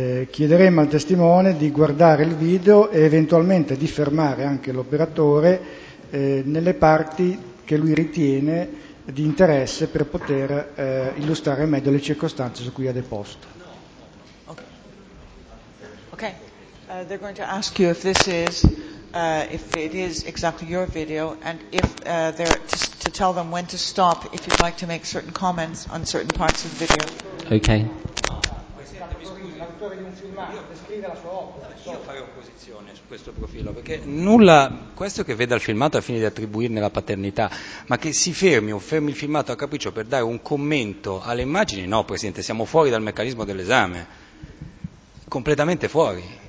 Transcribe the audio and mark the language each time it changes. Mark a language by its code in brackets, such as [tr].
[it] Chiederemo al testimone di guardare il video e eventualmente di fermare anche l'operatore nelle parti che lui ritiene di interesse per poter illustrare meglio le circostanze su cui ha deposto. [en] Okay. They're going to ask you if this is... if it is exactly your video, and if they're to tell them when to stop if you'd like to make certain comments on certain parts of the video. Okay. [it] Io farei opposizione su questo profilo, perché nulla, questo che veda il filmato a fine di attribuirne la paternità, ma che si fermi o fermi il filmato a capriccio per dare un commento alle immagini, no Presidente, siamo fuori dal meccanismo dell'esame, completamente fuori.